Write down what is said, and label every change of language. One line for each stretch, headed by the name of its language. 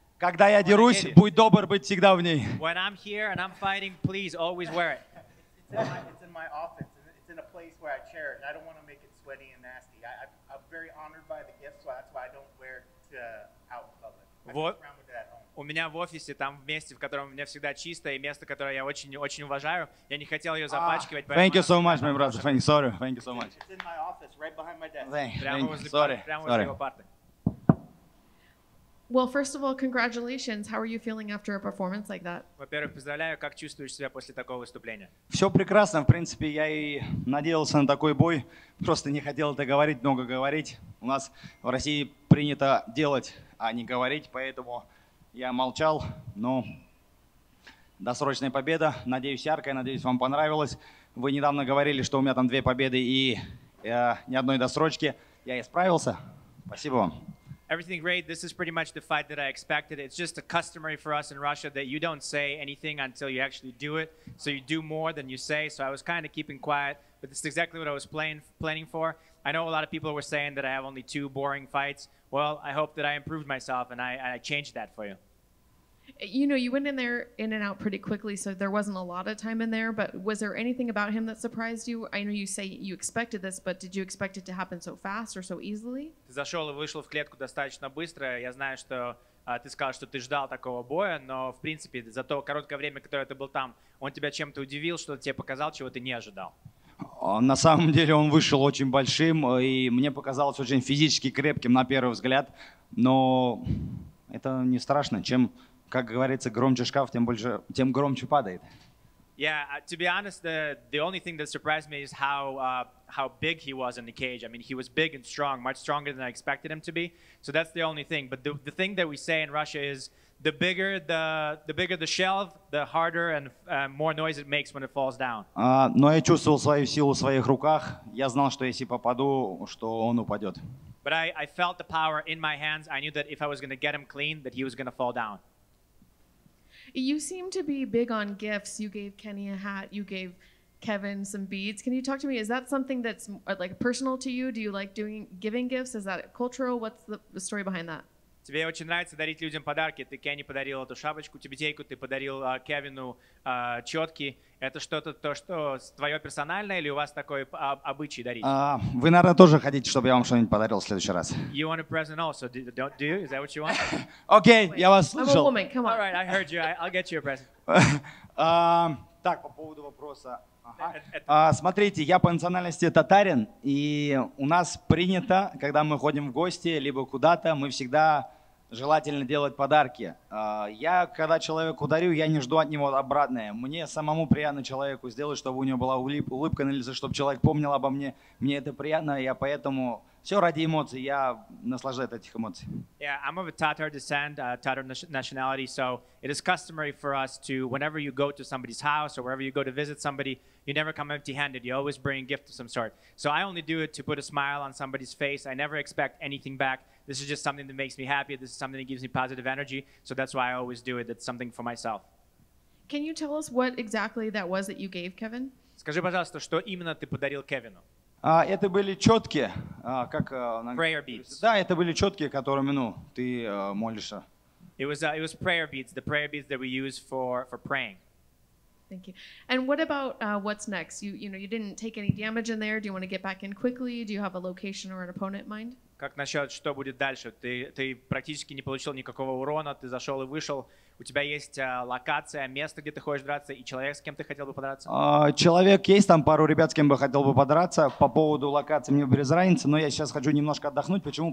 Russian: Когда я дерусь, будь добр быть всегда в ней.
English: When I'm here and I'm fighting, please always wear it. It's in my office. It's in a place where I chair it. I don't want to make it sweaty and nasty. I'm very honored by the gift, so that's why I don't wear it out in public.
Russian: У меня в офисе, там в месте, в котором мне всегда чисто, и место, которое я очень-очень уважаю, я не хотел ее запачкивать.
English: Thank you so much, my brother. Thank you. Sorry. Thank you so much. It's in my office, right behind my desk. Thank you. Sorry. Well, first of all, congratulations. How are you feeling after a performance like that?
Russian: Во-первых, поздравляю. Как чувствуешь себя после такого выступления? Все прекрасно. В принципе, я и надеялся на такой бой. Просто не хотел это говорить, много говорить. У нас в России принято делать, а не говорить, поэтому... Я молчал, но досрочная победа. Надеюсь, яркая. Надеюсь, вам понравилось. Вы недавно говорили, что у меня там две победы и ни одной досрочки. Я исправился. Спасибо вам.
English: Everything great. This is pretty much the fight that I expected. It's just a customary for us in Russia that you don't say anything until you actually do it. So you do more than you say. So I was kind of keeping quiet, but this is exactly what I was planning for. I know a lot of people were saying that I have only two boring fights. Well, I hope that I improved myself and I changed that for you. You know, you went in there in and out pretty quickly, so there wasn't a lot of time in there, but was there anything about him that surprised you? I know you say you expected this, but did you expect it to happen so fast or so easily?
Russian: Ты зашел и вышел в клетку достаточно быстро. Я знаю, что ты сказал, что ты ждал такого боя, но, в принципе, за то короткое время, которое ты был там, он тебя чем-то удивил, что тебе показал, чего ты не ожидал. На самом деле он вышел очень большим, и мне показалось очень физически крепким на первый взгляд, но это не страшно. Чем, как говорится, громче шкаф, тем громче падает.
English: Yeah, to be honest, the only thing that surprised me is how big he was in the cage. I mean, he was big and strong, much stronger than I expected him to be. So that's the only thing. But the thing that we say in Russia is The bigger the shelf, the harder and more noise it makes when it falls down.
Russian: Но я чувствовал свою силу в своих руках. Я знал, что если попаду, что он упадет.
English: But I felt the power in my hands. I knew that if I was going to get him clean, that he was going to fall down. You seem to be big on gifts. You gave Kenny a hat. You gave Kevin some beads. Can you talk to me? Is that something that's like personal to you? Do you like giving gifts? Is that cultural? What's the story behind that?
Russian: Тебе очень нравится дарить людям подарки. Ты Кенни подарил эту шапочку, тюбетейку, ты подарил Кевину четки. Это что-то то, что твое персональное, или у вас такой обычай дарить? Вы, наверное, тоже хотите, чтобы я вам что-нибудь подарил в следующий раз.
English: You want a present also, do you? Is that what you want?
Russian: Окей, okay, я вас слышал.
English: I'm a woman, come on. All right, I heard you, I'll get you a present.
Russian: Так, по поводу вопроса. Смотрите, я по национальности татарин, и у нас принято, когда мы ходим в гости, либо куда-то, мы всегда желательно делать подарки. Я, когда человеку дарю, я не жду от него обратное. Мне самому приятно человеку сделать, чтобы у него была улыбка на лице, чтобы человек помнил обо мне. Мне это приятно, я поэтому... Все ради эмоций, я наслаждаюсь этих эмоций.
English: Yeah, I'm of a Tatar descent, Tatar nationality, so it is customary for us to, whenever you go to somebody's house or wherever you go to visit somebody, you never come empty-handed, you always bring a gift of some sort. So I only do it to put a smile on somebody's face, I never expect anything back. This is just something that makes me happy, this is something that gives me positive energy, so that's why I always do it, it's something for myself. Can you tell us what exactly that was that you gave Kevin?
Russian: Скажи, пожалуйста, что именно ты подарил Кевину? Это были четки, как...
English: Prayer beads.
Russian: Да, это были четки, которыми, ну, ты молишься.
English: It was prayer beads, the prayer beads that we use for praying. Thank you. And what about what's next? You know, you didn't take any damage in there. Do you want to get back in quickly? Do you have a location or an opponent in mind?
Russian: Как насчет, что будет дальше? Ты практически не получил никакого урона, ты зашел и вышел. У тебя есть локация, место, где ты хочешь драться, и человек, с кем ты хотел бы подраться? Человек есть, там пару ребят, с кем бы хотел бы подраться. По поводу локации мне без разницы, но я сейчас хочу немножко отдохнуть. Почему?